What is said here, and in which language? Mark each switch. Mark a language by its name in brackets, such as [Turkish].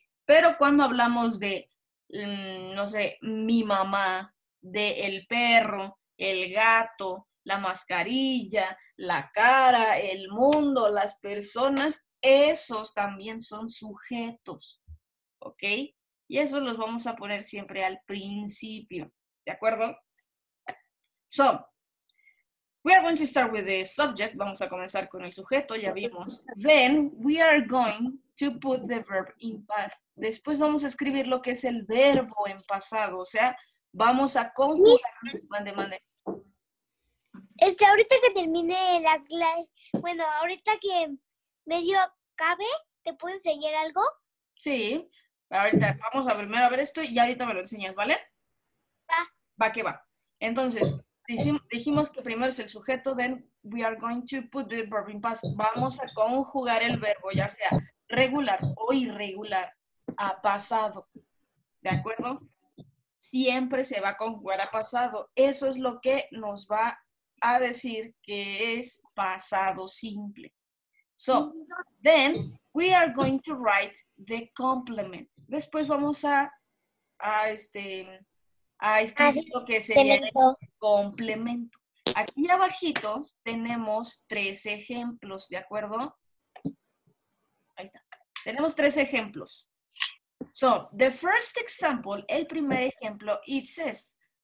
[Spanish] Pero cuando hablamos de, no sé, mi mamá, de el perro, el gato, la mascarilla, la cara, el mundo, las personas, esos también son sujetos. ¿Ok? Y eso los vamos a poner siempre al principio. ¿De acuerdo? [English] So, we are going to start with the subject. [Spanish] Vamos a comenzar con el sujeto, ya vimos. [English] Then, we are going to put the verb in past. [Spanish] Después vamos a escribir lo que es el verbo en pasado. O sea, vamos a conjugar. Mande. Ahorita que termine la clase, bueno, ahorita que medio acabe, ¿te puedo enseñar algo? Sí. Ahorita vamos a primero a ver esto y ahorita me lo enseñas, ¿vale? Va. Va que va. Entonces, dijimos que primero es el sujeto, [English] then we are going to put the verb in past. [Spanish] Vamos a conjugar el verbo, ya sea regular o irregular, a pasado. ¿De acuerdo? Siempre se va a conjugar a pasado. Eso es lo que nos va a decir que es pasado simple. [English] So, then we are going to write the complement. [Spanish] Después vamos a escribir lo que sería el complemento. Aquí abajito tenemos tres ejemplos, ¿de acuerdo? Ahí está. Tenemos tres ejemplos. [English] So, the first example, [Spanish] el primer ejemplo, [English] it says,